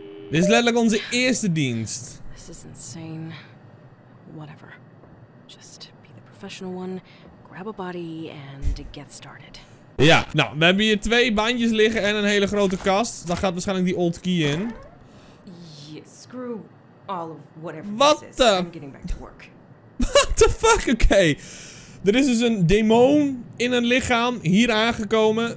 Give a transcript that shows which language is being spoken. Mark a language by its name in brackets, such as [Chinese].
[Dutch] Dit is letterlijk onze eerste dienst. [English] This is insane. Whatever. Just be the professional one, grab a body and get started. [Dutch] Ja, nou, we hebben hier twee bandjes liggen en een hele grote kast. Daar gaat waarschijnlijk die old key in. [English] Yeah, screw. All of whatever what this is. The... I'm getting back to work. What the fuck? Okay. [Dutch] Er is dus een demon in een lichaam hier aangekomen.